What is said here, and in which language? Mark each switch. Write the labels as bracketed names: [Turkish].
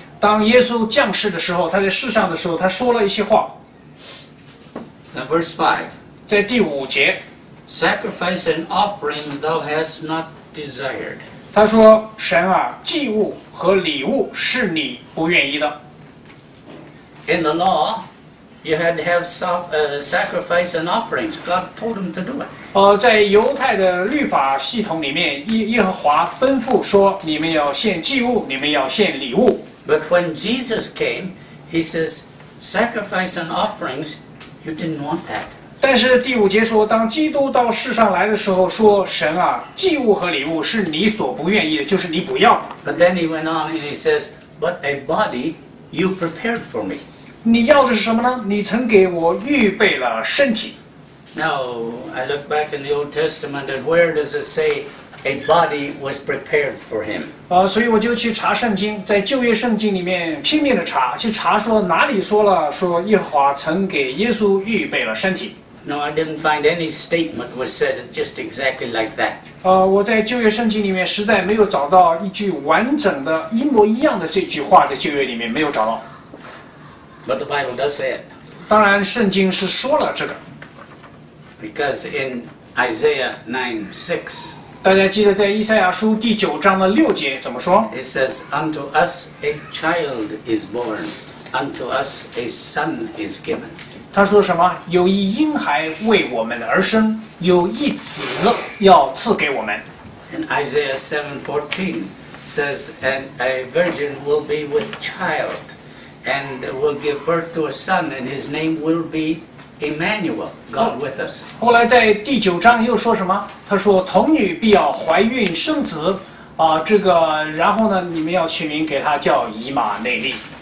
[Chinese] 当耶稣降世的时候，他在世上的时候，他说了一些话。 [English] Verse 5. [Chinese] 在第五节。 [English] Sacrifice and offering thou hast not desired. [Chinese] 他说，神啊，祭物和礼物是你不愿意的。 [English] In the law, you had to have sacrifice and offerings. God told him to do it. [Chinese] 在犹太的律法系统里面，耶和华吩咐说：“你们要献祭物，你们要献礼物。” [English] But when Jesus came, he says, "Sacrifice and offerings, you didn't want that." [Chinese] 但是第五节说，当基督到世上来的时候，说：“神啊，祭物和礼物是你所不愿意的，就是你不要。” [English] But then he went on and he says, "But a body you prepared for me." [Chinese] 你要的是什么呢？你曾给我预备了身体。 [English] Now, I look back in the Old Testament, and where does it say a body was prepared for him? [Chinese] 所以我就去查圣经，在旧约圣经里面拼命的查，去查说哪里说了说耶和华曾给耶稣预备了身体。 [English] No, I didn't find any statement was said just exactly like that. [Chinese] 我在旧约圣经里面实在没有找到一句完整的一模一样的这句话，在旧约里面没有找到。 [English] But the Bible does say it. [Chinese] 当然，圣经是说了这个。 [English] Because in Isaiah 9:6, [Chinese] 大家记得在以赛亚书第九章的六节怎么说 [English] ？It says, "Unto us a child is born, unto us a son is given." [Chinese] 他说什么？有一婴孩为我们而生，有一子要赐给我们。 [English] And Isaiah 7:14 says, "And a virgin will be with child, and will give birth to a son, and his name will be." Emmanuel, God with us. [Chinese] 后来在第九章又说什么？他说童女必要怀孕生子，然后呢，你们要取名给他叫以马内利。